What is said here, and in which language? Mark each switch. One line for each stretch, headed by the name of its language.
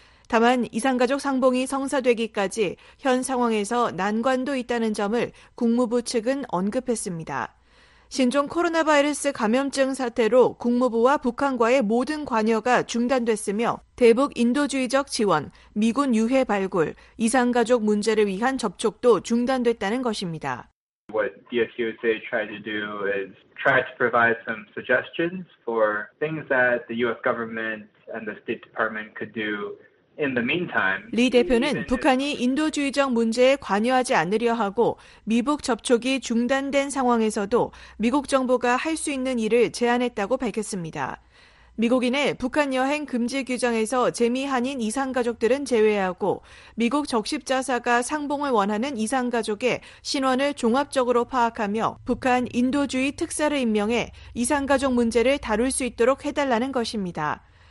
Korean: 다만 이산가족 상봉이 성사되기까지 현 상황에서 난관도 있다는 점을 국무부 측은 언급했습니다. 신종 코로나 바이러스 감염증 사태로 국무부와 북한과의 모든 관여가 중단됐으며 대북 인도주의적 지원, 미군 유해 발굴, 이산가족 문제를 위한 접촉도 중단됐다는 것입니다.
English: What DSUSA tried to do is try to provide some suggestions for things that the US government and the State Department could do. In the meantime,
Korean: 리 대표는 북한이 인도주의적 문제에 관여하지 않으려 하고 미북 접촉이 중단된 상황에서도 미국 정부가 할 수 있는 일을 제안했다고 밝혔습니다. 미국인의 북한 여행 금지 규정에서 재미 한인 이산가족들은 제외하고 미국 적십자사가 상봉을 원하는 이산가족의 신원을 종합적으로 파악하며 북한 인도주의 특사를 임명해 이산가족 문제를 다룰 수 있도록 해달라는 것입니다.